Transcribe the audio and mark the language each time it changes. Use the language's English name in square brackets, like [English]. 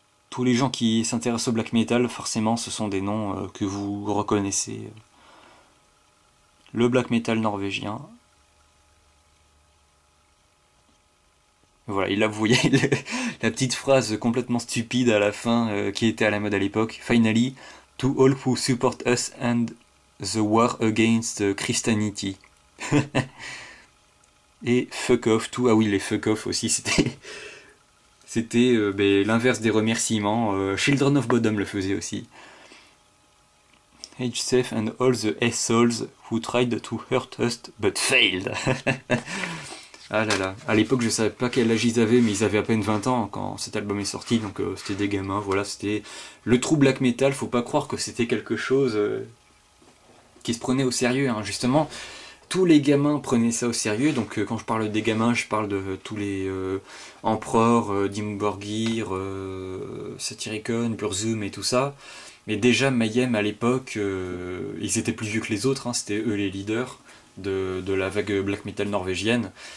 [French] Tous les gens qui s'intéressent au black metal, forcément, ce sont des noms que vous reconnaissez. Le black metal norvégien. Voilà, et là vous voyez la petite phrase complètement stupide à la fin qui était à la mode à l'époque. [English] Finally, to all who support us and the war against Christianity. [French] Et [English] fuck off, [French] tout. Ah oui, les fuck off aussi, C'était l'inverse des remerciements. Children of Bodom le faisait aussi. [English] HSF and all the assholes who tried to hurt us but failed. [French] Ah là là, à l'époque je ne savais pas quel âge ils avaient, mais ils avaient à peine 20 ans quand cet album est sorti, donc c'était des gamins, voilà, c'était le true black metal, faut pas croire que c'était quelque chose qui se prenait au sérieux, hein. Justement, tous les gamins prenaient ça au sérieux, donc quand je parle des gamins, je parle de tous les Empereurs, Dimmu Borgir, Satyricon, Burzum et tout ça, mais déjà Mayhem à l'époque, ils étaient plus vieux que les autres, hein, c'était eux les leaders de la vague black metal norvégienne.